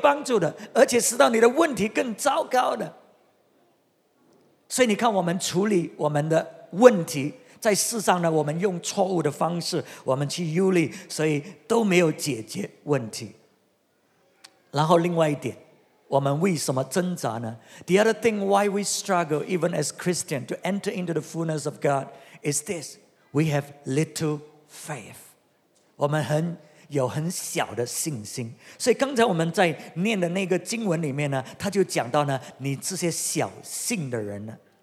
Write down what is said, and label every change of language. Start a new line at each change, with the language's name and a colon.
Chinese: 所以我们在面对生命的困难里面呢，我们处理问题的方式错误了。我们以忧虑来处理方式。当你面对问题的时候，你做什么呢？你忧虑，你忧虑。所以耶稣说呢，你忧虑有什么用呢？你忧虑，你能够帮助解决你的问题一点点吗？一点都没有帮助的，而且使到你的问题更糟糕的。所以你看，我们处理我们的问题，在世上呢，我们用错误的方式，我们去忧虑，所以都没有解决问题。然后另外一点，我们为什么挣扎呢？
English: The other thing why we struggle even as Christian to enter into the fullness of God is this: we have little faith.
Chinese: 我们很有很小的信心。所以刚才我们在念的那个经文里面呢，他就讲到呢，你这些小信的人呢。